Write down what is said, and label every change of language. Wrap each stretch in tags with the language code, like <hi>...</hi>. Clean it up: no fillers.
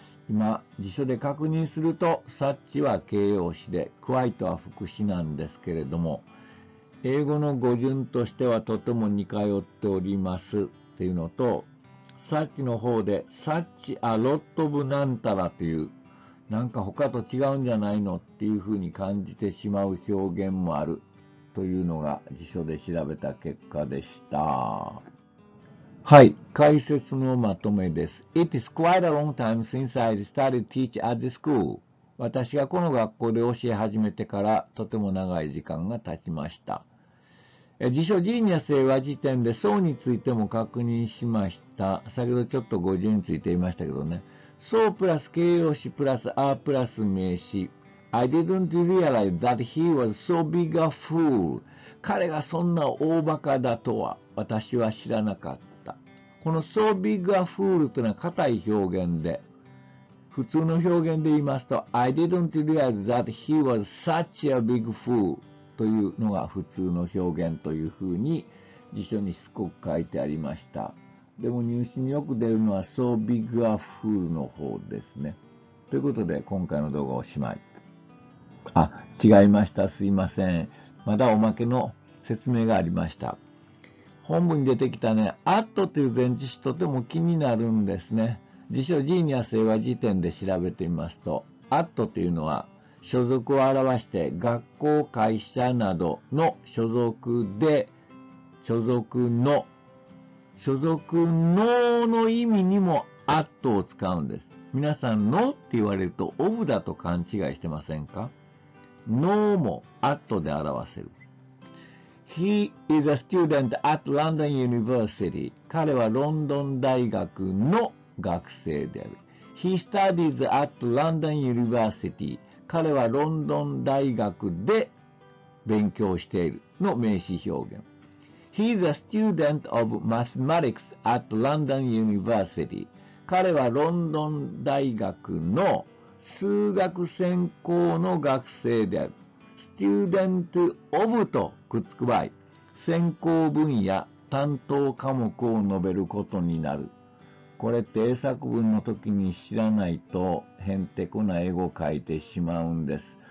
<ja>今辞書で確認すると、サッチは形容詞でクワイトは副詞なんですけれども、英語の語順としてはとても似通っておりますっていうのと、サッチの方でサッチアロットブなんたらという、なんか他と違うんじゃないのっていうふうに感じてしまう表現もあるというのが辞書で調べた結果でした。はい、解説のまとめです。</ja> <en>It is quite a long time since I started teach at the school.</en> <ja>私がこの学校で教え始めてからとても長い時間が経ちました。辞書ジーニアス英和辞典で so についても確認しました。先ほどちょっと語順について言いましたけどね。so プラス形容詞プラス are プラス名詞。</ja> <en>I didn't realize that he was so big a fool.</en> <ja>彼がそんな大バカだとは私は知らなかった。この</ja> <en>So big a fool</en> <ja>というのは固い表現で、普通の表現で言いますと</ja> <en>I didn't realize that he was such a big fool</en> <ja>というのが普通の表現というふうに辞書にしつこく書いてありました。でも入試によく出るのは</ja> <en>So big a fool</en> <ja>の方ですね。ということで今回の動画おしまい。あ、違いました。すいません。まだおまけの説明がありました。本文に出てきたね、at という前置詞とても気になるんですね。辞書ジーニア英和辞典で調べてみますと、at というのは所属を表して学校、会社などの所属で、所属の、所属の意味にも at を使うんです。皆さん、のって言われると、of だと勘違いしてませんか？のも at で表せる。</ja> <en>He is a student at London University.</en> <ja>彼はロンドン大学の学生である。</ja> <en>He studies at London University.</en> <ja>彼はロンドン大学で勉強しているの名詞表現。</ja> <en>He is a student of mathematics at London University.</en> <ja>彼はロンドン大学の数学専攻の学生である。 student of とくっつく場合、専攻分野、担当科目を述べることになる。これ、定作文の時に知らないと、へんてこな英語を書いてしまうんです。</ja>